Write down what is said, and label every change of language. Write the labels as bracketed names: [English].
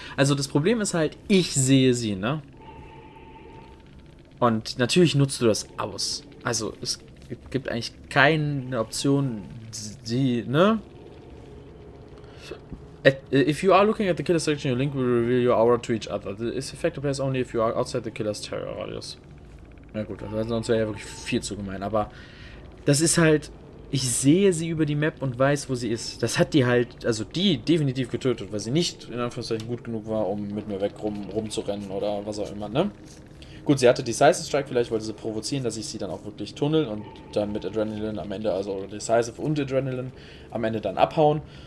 [German] Also das Problem ist halt, ich sehe sie, ne? Und natürlich nutzt du das aus. Also es gibt eigentlich keine Option, die, ne? [English] If you are looking at the killer's section, your link will reveal your aura to each other. This effect applies only if you are outside the killer's terror radius. [German] Na gut, also sonst wäre ja wirklich viel zu gemein. Aber das ist halt... Ich sehe sie über die Map und weiß, wo sie ist. Das hat die halt, also die definitiv getötet, weil sie nicht, in Anführungszeichen, gut genug war, um mit mir weg rumzurennen oder was auch immer, ne? Gut, sie hatte Decisive Strike, vielleicht wollte sie provozieren, dass ich sie dann auch wirklich tunnel und dann mit Adrenaline am Ende, also Decisive und Adrenaline am Ende dann abhauen.